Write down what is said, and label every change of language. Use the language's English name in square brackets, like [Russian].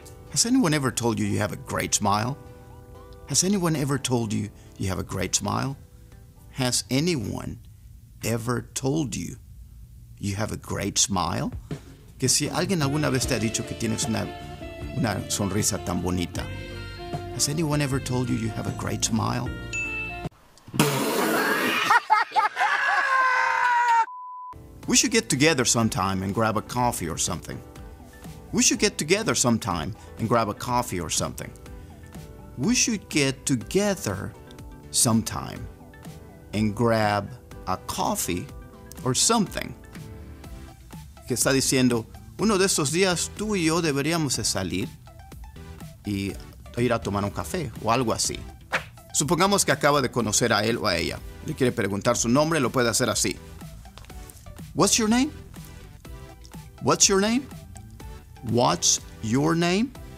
[English] Has anyone ever told you you have a great smile? Has anyone ever told you you have a great smile? Has anyone ever told you you have a great smile? [Spanish] Que si alguien alguna vez te ha dicho que tienes una sonrisa tan bonita. [English] Has anyone ever told you you have a great smile? We should get together sometime and grab a coffee or something. We should get together sometime and grab a coffee or something. We should get together sometime and grab a coffee or something. [Spanish] Que está diciendo, uno de estos días tú y yo deberíamos salir y ir a tomar un café o algo así. Supongamos que acaba de conocer a él o a ella. Le quiere preguntar su nombre, lo puede hacer así. [English] What's your name? What's your name? What's your name?